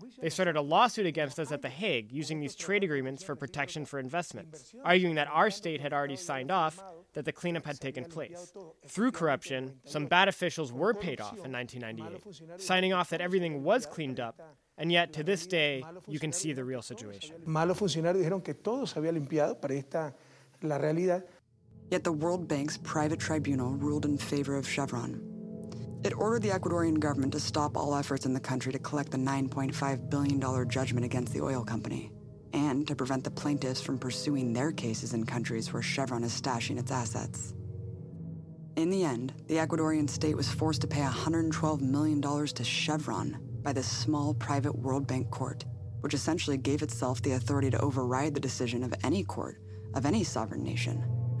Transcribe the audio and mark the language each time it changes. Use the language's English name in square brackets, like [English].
[English] They started a lawsuit against us at The Hague using these trade agreements for protection for investments, arguing that our state had already signed off that the cleanup had taken place. Through corruption, some bad officials were paid off in 1998, signing off that everything was cleaned up, and yet to this day, you can see the real situation. [Spanish] Malo funcionario dijeron que todo se había limpiado para esta la realidad. [English] Yet the World Bank's private tribunal ruled in favor of Chevron. It ordered the Ecuadorian government to stop all efforts in the country to collect the $9.5 billion judgment against the oil company, and to prevent the plaintiffs from pursuing their cases in countries where Chevron is stashing its assets. In the end, the Ecuadorian state was forced to pay $112 million to Chevron by this small private World Bank court, which essentially gave itself the authority to override the decision of any court, of any sovereign nation.